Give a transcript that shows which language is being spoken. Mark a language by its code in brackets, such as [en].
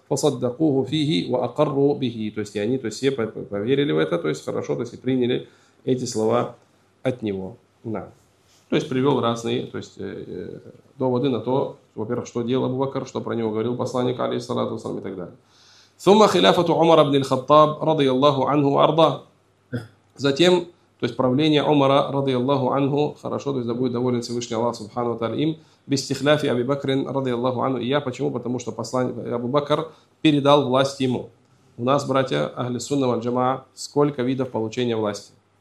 [ar] Фасаддакуху фихи ва акарру бихи. [ru] То есть, они, то есть, все поверили в это, то есть, хорошо, то есть, и приняли эти слова от него. На. То есть, привел разные, то есть, доводы на то, во-первых, что делал Абу Бакр, что про него говорил посланник, алейхиссалату ва саллям, и так далее. [ar] ثم خلافه عمر بن الخطاب رضي الله عنه وارضاه. [ru] Затем, то есть правление Умара رضي الله عنه, хорошо, то есть да будет доволен Всевышний Аллах Субхану ва тааля им, без стихляфи Абу Бакр رضي الله عنه. И я почему? Потому что посланник Абу Бакр передал власть ему. У нас, братья, ахли сунна валь джамаа, сколько видов получения власти?